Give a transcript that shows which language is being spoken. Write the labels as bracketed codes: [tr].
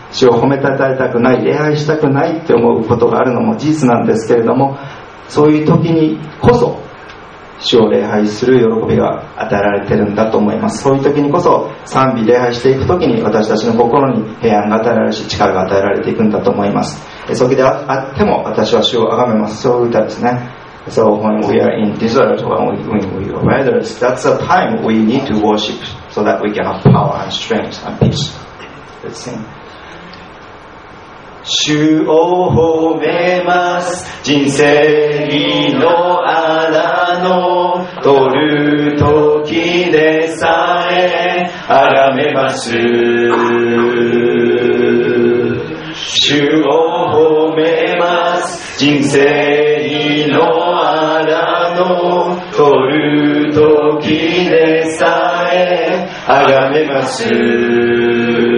[ja] 主を褒めたたえたくない、礼拝したくないって思うことがあるのも事実なんですけれども、そういう時にこそ主を礼拝する喜びが与えられているんだと思います。そういう時にこそ賛美礼拝していく時に私たちの心に平安が与えられるし、力が与えられていくんだと思います。そこであっても私は主を崇めます。そういう歌ですね。 [en] So when we are in desert, when we are wilderness, that's the time we need to worship so that we can have power and strength and peace. Let's sing. [ja] 主を褒めます人生の穴の取る時でさえあがめます。主を褒めます人生の穴の取る時でさえあがめます。